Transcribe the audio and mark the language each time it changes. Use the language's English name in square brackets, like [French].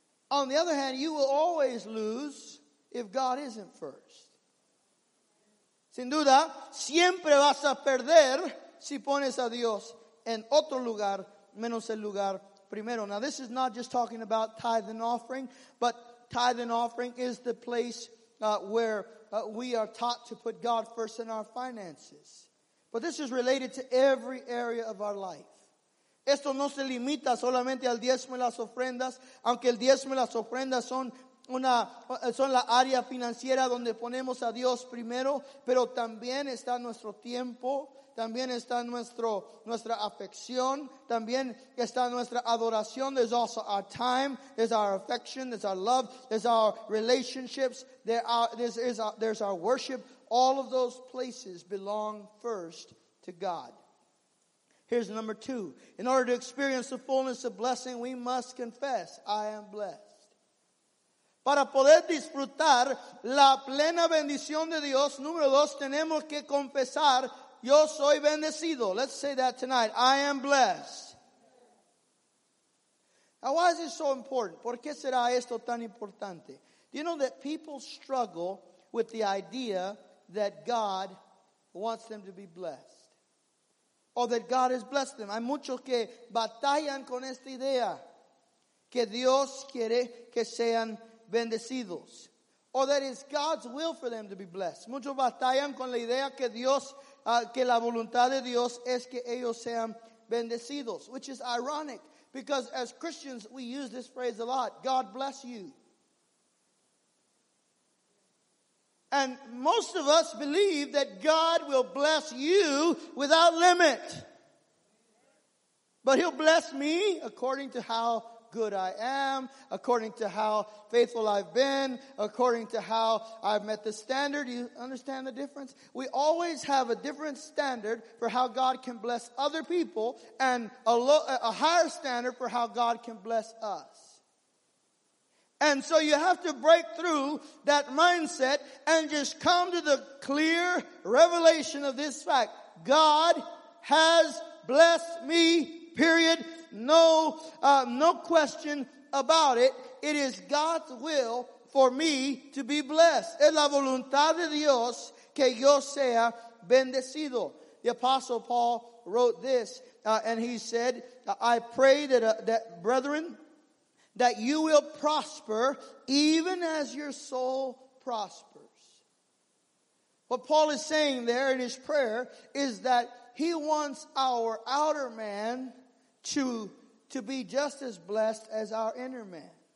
[English] On the other hand, you will always lose if God isn't first. [Spanish] Sin duda, siempre vas a perder si pones a Dios en otro lugar menos el lugar primero. [English] Now, this is not just talking about tithe and offering, but tithe and offering is the place where we are taught to put God first in our finances. But this is related to every area of our life. [Spanish] Esto no se limita solamente al diezmo y las ofrendas, aunque el diezmo y las ofrendas son la área financiera donde ponemos a Dios primero, pero también está nuestro tiempo, también está nuestra afección, también está nuestra adoración. [English] There's also our time, there's our affection, there's our love, there's our relationships, there's our worship. All of those places belong first to God. Here's number two. In order to experience the fullness of blessing, we must confess, I am blessed. [Spanish] Para poder disfrutar la plena bendición de Dios, número dos, tenemos que confesar, yo soy bendecido. [English] Let's say that tonight. I am blessed. Now, why is this so important? [Spanish] ¿Por qué será esto tan importante? [English] Do you know that people struggle with the idea that God wants them to be blessed? Or that God has blessed them. [Spanish] Hay muchos que batallan con esta idea. Que Dios quiere que sean bendecidos. [English] Or that it's God's will for them to be blessed. [Spanish] Muchos batallan con la idea que Dios, que la voluntad de Dios es que ellos sean bendecidos. [English] Which is ironic. Because as Christians, we use this phrase a lot. God bless you. And most of us believe that God will bless you without limit. But he'll bless me according to how good I am, according to how faithful I've been, according to how I've met the standard. You understand the difference? We always have a different standard for how God can bless other people and a higher standard for how God can bless us. And so you have to break through that mindset and just come to the clear revelation of this fact. God has blessed me, period. No question about it. It is God's will for me to be blessed. [Spanish] Es la voluntad de Dios que yo sea bendecido. [English] The Apostle Paul wrote this, and he said, I pray that that brethren, that you will prosper even as your soul prospers. What Paul is saying there in his prayer is that he wants our outer man to be just as blessed as our inner man.